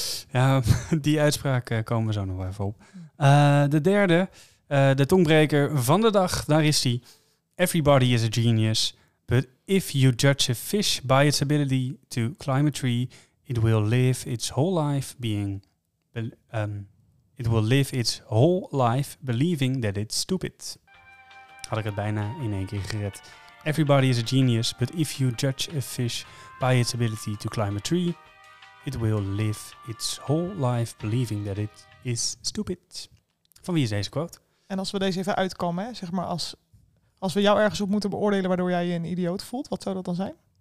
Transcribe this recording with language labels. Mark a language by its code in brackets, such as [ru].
[nl] Ja, die uitspraak komen we zo nog even op. De derde, de tongbreker van de dag. Daar is hij. [en] Everybody is a genius. But if you judge a fish by its ability to climb a tree, it will live its whole life being... It will live its whole life believing that it's stupid. [nl] Had ik het bijna in één keer gered. [en] Everybody is a genius, but if you judge a fish by its ability to climb a tree, it will live its whole life believing that it is stupid. [nl] Van wie is deze quote? En als we deze even uitkomen, zeg maar als we jou ergens op moeten beoordelen waardoor jij je een idioot voelt, wat zou dat dan zijn?